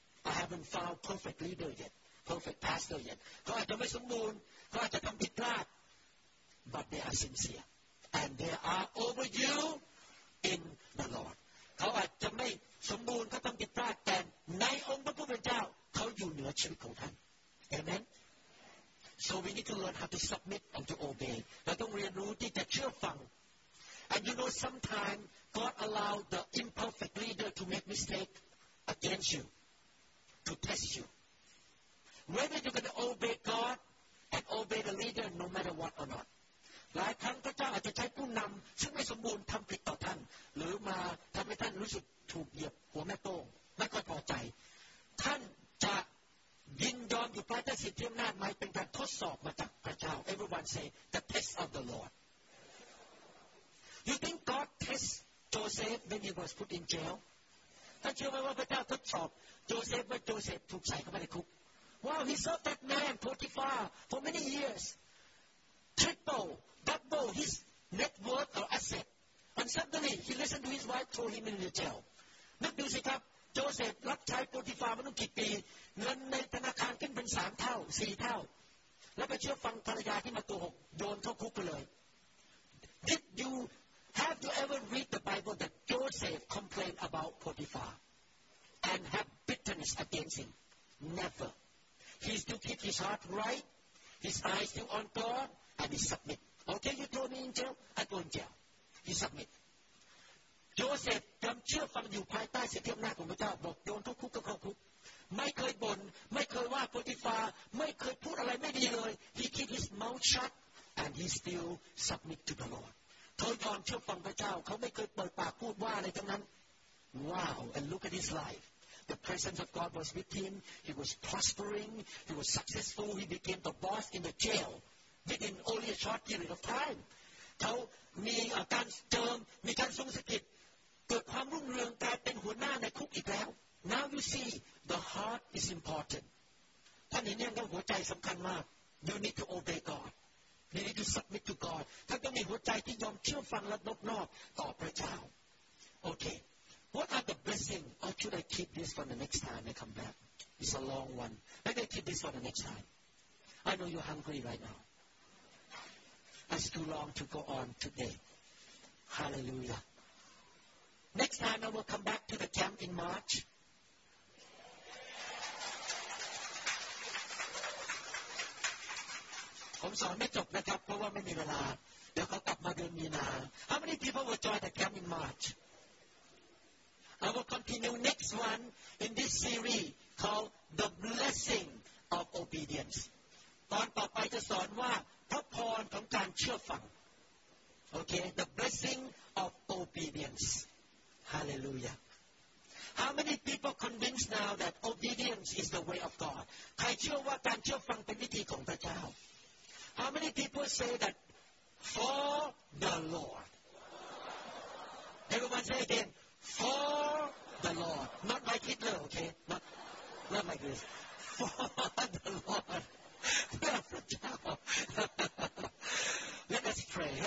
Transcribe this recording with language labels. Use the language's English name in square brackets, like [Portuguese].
[English] I haven't found perfect leader yet, perfect pastor yet. [Thai] เขาอาจจะไม่สมบูรณ์เขาอาจจะทำผิดพลาด [English] But they are sincere. And they are over you. In the Lord, [Thai] เขาอาจจะไม่สมบูรณ์เขาต้องผิดพลาดแต่ในองค์พระผู้เป็นเจ้าเขาอยู่เหนือชีวิตของท่าน Amen. [English] So we need to learn how to submit and to obey. [Thai] เราต้องเรียนรู้ที่จะเชื่อฟัง [English] And you know, sometimes God allow the imperfect leader to make mistake against you to test you. Whether you're going to obey God and obey the leader, no matter what or not. [Thai] หลายครั้งพระเจ้าอาจจะใช้ผู้นำซึ่งไม่สมบูรณ์ทำผิดต่อท่านหรือมาทำให้ท่านรู้สึกถูกเหยียบหัวแม่โต้งไม่ค่อยพอใจท่านจะยินยอมอยู่ภายใต้สิทธิอำนาจไหมเป็นการทดสอบมาจากพระเจ้า [English] Everyone say the test of the Lord You think God test Joseph when he was put in jail [Thai] ท่านเชื่อไหมว่าพระเจ้าทดสอบโยเซฟเมื่อโยเซฟถูกใส่เข้าไปในคุก [English] Wow he served that man Potiphar for many years triple his net worth or asset and suddenly he listened to his wife throw him in the jail [Thai] นึกดูสิครับโจเซฟรับใช้โปรติฟาร์มาตั้งกี่ปีเงินในธนาคารขึ้นเป็น3เท่า4เท่า แล้วไปเชื่อฟังภรรยาที่มาโกหกโยนเข้าคุกไปเลย [English] Did you have you ever read the Bible that Joseph complained about Potiphar and have bitterness against him never he still keep his heart right his eyes still on GodAnd he submit. Okay, you throw me in jail, I go in jail. He submit. Joseph, come cheer from you, pray, pray, say, tell me, I'm going to go, don't go, go, go, go. [Thai] ไม่เคยบ่น ไม่เคยว่า โปรติฟาร์ ไม่เคยพูดอะไรไม่ดีเลย [English] He keep his mouth shut, and he still submit to the Lord. [Thai] เขายอมเชื่อฟังพระเจ้า เขาไม่เคยเปิดปากพูดว่าอะไรทั้งนั้น [English] Wow, and look at his life. The presence of God was with him. He was prospering. He was successful. He became the boss in the jail. Within only a short period of time, [Thai] เขามีการเติมมีการทรงสถิตเกิดความรุ่งเรืองกลายเป็นหัวหน้าในคุกอีกแล้ว [English] Now you see the heart is important. [Thai] ท่านเห็นยังว่าหัวใจสำคัญมาก [English] You need to obey God. You need to submit to God. [Thai] ท่านต้องมีหัวใจที่ยอมเชื่อฟังและนอบน้อมต่อพระเจ้า Okay. [English] What are the blessings? Or should I keep this for the next time I come back? It's a long one. Maybe I keep this for the next time. I know you're hungry right now. It's too long to go on today. Hallelujah. Next time I will come back to the camp in March. I'm sorry, [Thai] ไม่จบนะครับเพราะว่าไม่มีเวลาเดี๋ยวเขากลับมาเดือนมีนา [English] How many people will join the camp in March? I will continue next one in this series called The Blessing of Obedience. [Thai] ตอนต่อไปจะสอนว่าพระพรของการเชื่อฟัง [English] โอเค the blessing of obedience hallelujah how many people convinced now that obedience is the way of God [Thai] ใครเชื่อว่าการเชื่อฟังเป็นวิธีของพระเจ้า [English] how many people say that for the Lord everyone say again for the Lord not like Hitler okay not like this for the LordLet us pray.